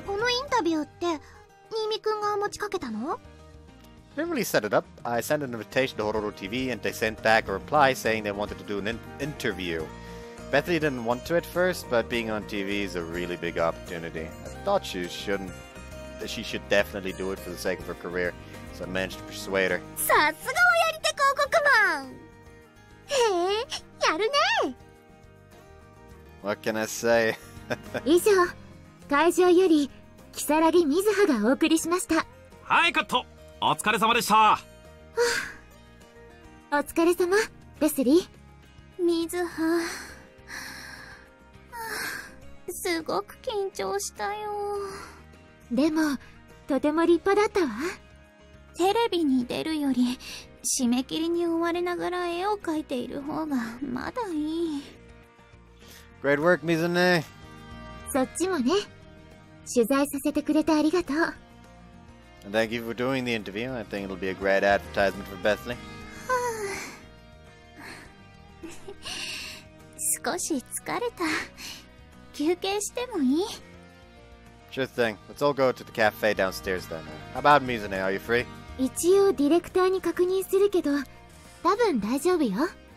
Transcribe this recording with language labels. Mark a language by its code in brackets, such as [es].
[ja] このインタビューって、ニーミ君が持ちかけたの? [en] I didn't really set it up. I sent an invitation to Hororo TV and they sent back a reply saying they wanted to do an interview. Bethly didn't want to at first, but being on TV is a really big opportunity. I thought she should definitely do it for the sake of her career, so I managed to persuade her. [ja] さすがはやり手広告マン! へえ、やるね! [en] What can I say? [ja] 以上、会場より、キサラギ水葉がお送りしました。はい、カット、お疲れ様でした。お疲れ様、ベスリー。水葉、すごく緊張したよ。でもとても立派だったわ。テレビに出るより締め切りに追われながら絵を描いている方がまだいい。 [en] Great work, Mizune。 [ja] そっちもね、取材させてくれてありがとう。 [en] And thank you for doing the interview. I think it'll be a great advertisement for Bethly. [ja] 少し疲れた。休憩してもいい？ [en] Sure thing. Let's all go to the cafe downstairs then. How about Mizune? Are you free? [ja] 一応ディレクターに確認するけど、多分大丈夫よ。